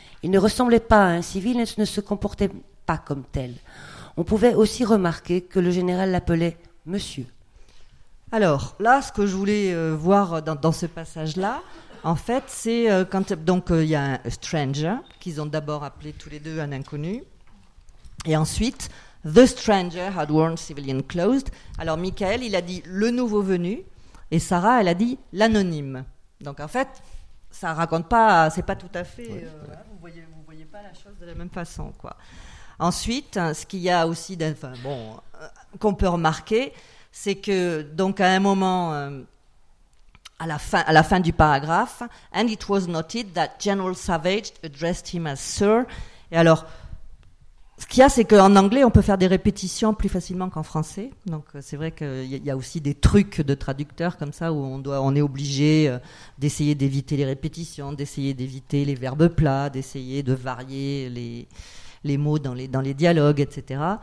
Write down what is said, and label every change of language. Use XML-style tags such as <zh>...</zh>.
<fr>Il ne ressemblait pas à un civil et ne se comportait pas comme tel. On pouvait aussi remarquer que le général l'appelait « monsieur ». Alors, là, ce que je voulais voir dans ce passage-là... En fait, c'est quand il y a un stranger, qu'ils ont d'abord appelé tous les deux un inconnu. Et ensuite,</fr> <en>the stranger had worn civilian clothes.</en> <fr>Alors, Michael, il a dit le nouveau venu. Et Sarah, elle a dit l'anonyme. Donc, en fait, ça raconte pas, c'est pas tout à fait... Oui, vous voyez pas la chose de la même façon, quoi. Ensuite, ce qu'il y a aussi, qu'on peut remarquer, c'est que, donc, à un moment... À la fin du paragraphe,</fr> <en>and it was noted that General Savage addressed him as Sir.</en> <fr>Et alors, ce qu'il y a, c'est qu'en anglais, on peut faire des répétitions plus facilement qu'en français. Donc, c'est vrai qu'il y a aussi des trucs de traducteurs comme ça où on est obligé d'essayer d'éviter les répétitions, d'essayer d'éviter les verbes plats, d'essayer de varier les mots dans les dialogues, etc.</fr>